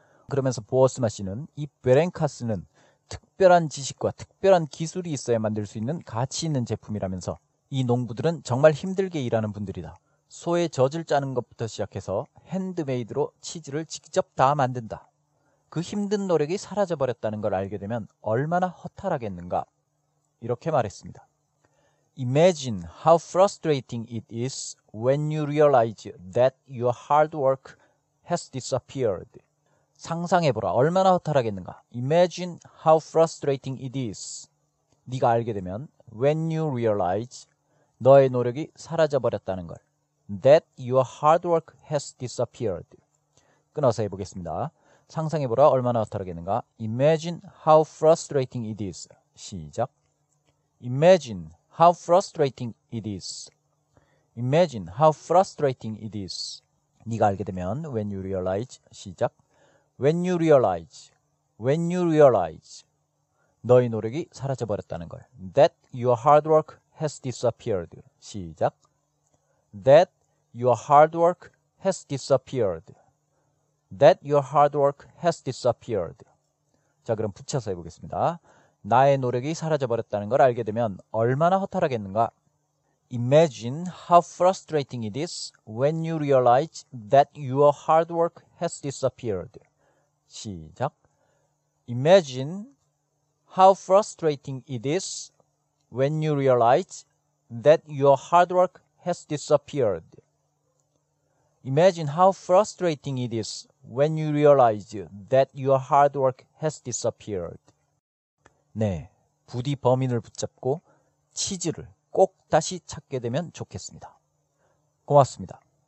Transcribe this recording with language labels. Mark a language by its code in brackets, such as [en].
[ko] 그러면서 보어스마 씨는 이 베렌카스는 특별한 지식과 특별한 기술이 있어야 만들 수 있는 가치 있는 제품이라면서 이 농부들은 정말 힘들게 일하는 분들이다. 소의 젖을 짜는 것부터 시작해서 핸드메이드로 치즈를 직접 다 만든다. 그 힘든 노력이 사라져버렸다는 걸 알게 되면 얼마나 허탈하겠는가. 이렇게 말했습니다. [en] Imagine how frustrating it is when you realize that your hard work has disappeared. [ko] 상상해보라. 얼마나 허탈하겠는가. [en] Imagine how frustrating it is. [ko] 네가 알게 되면 [en] when you realize [ko] 너의 노력이 사라져버렸다는 걸. [en] That your hard work has disappeared. [ko] 끊어서 해보겠습니다. 상상해보라. 얼마나 허탈하겠는가. [en] Imagine how frustrating it is. [ko] 시작. [en] Imagine how frustrating it is. Imagine how frustrating it is. [ko] 네가 알게 되면 [en] when you realize. [ko] 시작. [en] When you realize, when you realize, [ko] 너의 노력이 사라져버렸다는 걸. [en] That your hard work has disappeared. [ko] 시작. [en] That your hard work has disappeared. That your hard work has disappeared. [ko] 자, 그럼 붙여서 해보겠습니다. 나의 노력이 사라져버렸다는 걸 알게 되면 얼마나 허탈하겠는가? [en] Imagine how frustrating it is when you realize that your hard work has disappeared. [ko] 시작. [en] Imagine how frustrating it is when you realize that your hard work has disappeared. Imagine how frustrating it is when you realize that your hard work has disappeared. [ko] 네, 부디 범인을 붙잡고 치즈를 꼭 다시 찾게 되면 좋겠습니다. 고맙습니다.